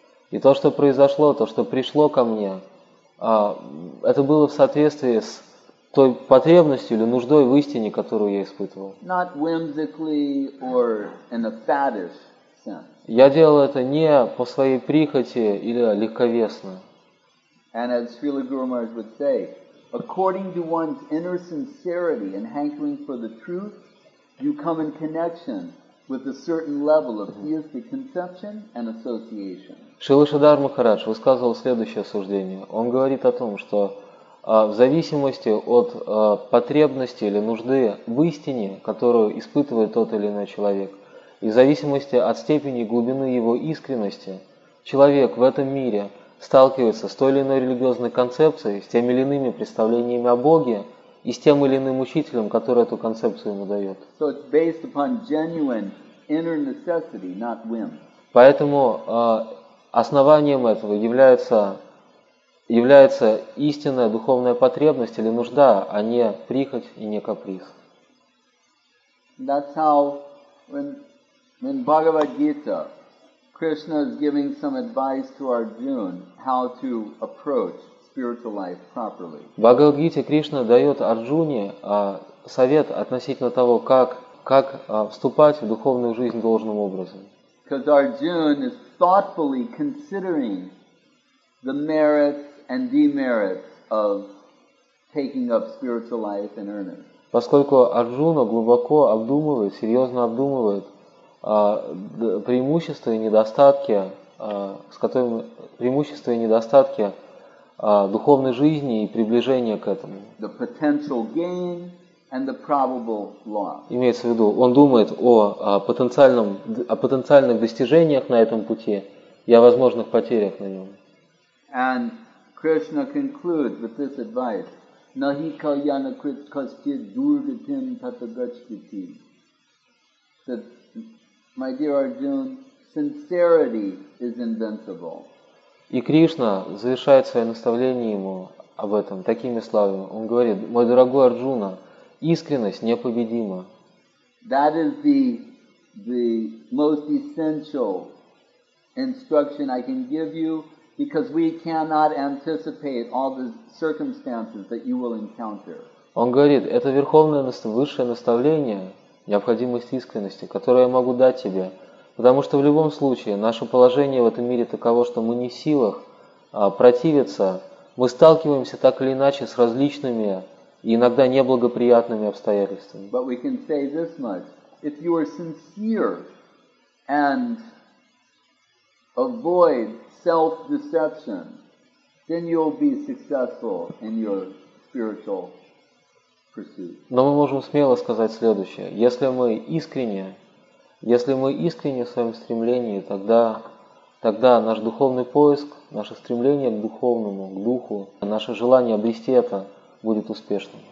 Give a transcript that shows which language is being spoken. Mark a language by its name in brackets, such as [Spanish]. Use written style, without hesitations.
[Russian] И то, что произошло, то, что пришло ко мне, это было в соответствии с той потребностью или нуждой в истине, которую я испытывал. [English] Not whimsically or in a faddish sense. [Russian] Я делал это не по своей прихоти или легковесно. [English] And as Srila Guru Maharaj would say, according to one's inner sincerity and hankering for the truth, you come in connection with a certain level of theistic conception and association. [Russian] Шрила Шридхар Махарадж высказывал следующее суждение. Он говорит о том, что в зависимости от потребности или нужды в истине, которую испытывает тот или иной человек, и в зависимости от степени глубины его искренности, человек в этом мире сталкивается с той или иной религиозной концепцией, с теми или иными представлениями о Боге и с тем или иным учителем, который эту концепцию ему дает. [English] So it's based upon genuine inner necessity, not whim. [Russian] Поэтому основанием этого является истинная духовная потребность или нужда, а не прихоть и не каприз. [English] That's how when Bhagavad Gita, Krishna is giving some advice to Arjuna how to approach spiritual life properly. [Russian] В Бхагавад Гите Кришна дает Арджуне совет относительно того, как вступать в духовную жизнь должным образом. [English] Because Arjuna is thoughtfully considering the merits and demerits of taking up spiritual life in earnest. [Russian] Поскольку Арджуна глубоко обдумывает, серьезно обдумывает преимущества и недостатки духовной жизни и приближения к этому. [English] The potential gain and the probable loss. [Russian] Имеется в виду, он думает о потенциальных достижениях на этом пути и о возможных потерях на нем. [English] And Krishna concludes with this advice. [Sanskrit] Nahi kalyana krit kasti durgatim tatagachkiti. [English] That, my dear Arjuna, sincerity is invincible. [Russian] И Кришна завершает свое наставление ему об этом такими словами. Он говорит, мой дорогой Арджуна, искренность непобедима. [English] That is the most essential instruction I can give you. Because we cannot anticipate all the circumstances that you will encounter. [Russian] Он говорит, это верховное, высшее наставление, необходимость искренности, которое я могу дать тебе. Потому что в любом случае наше положение в этом мире таково, что мы не в силах противиться. Мы сталкиваемся так или иначе с различными и иногда неблагоприятными обстоятельствами. [English] But we can say this much. If you are sincere and avoid self-deception, then you'll be successful in your spiritual pursuit. [Russian] Но мы можем смело сказать следующее. Если мы искренне в своем стремлении, тогда наш духовный поиск, наше стремление к духовному, к духу, наше желание обрести это будет успешным.